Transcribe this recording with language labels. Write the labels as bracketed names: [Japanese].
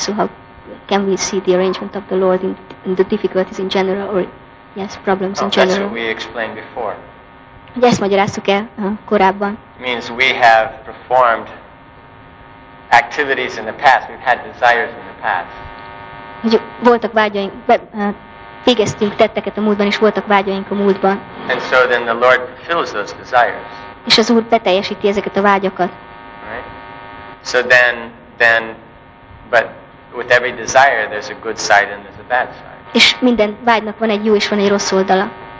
[English] So how can we see the arrangement of the Lord in the difficulties in general, or yes, problems in general? That's what we explained before. [Hungarian] Yes, magyaráztuk el korábban. [English] Means we have performed activities in the past. We've had desires in the past. [Hungarian] Voltak vágyaink, végeztünk tetteket a múltban, és voltak vágyaink a múltban. [English] And so then the Lord fulfills those desires. [Hungarian] És az Úr beteljesíti ezeket a vágyakat. [English] Right. So then, but with every desire, there's a good side and there's a bad side. [Hungarian] És minden vágynak van egy jó és van egy rossz oldala.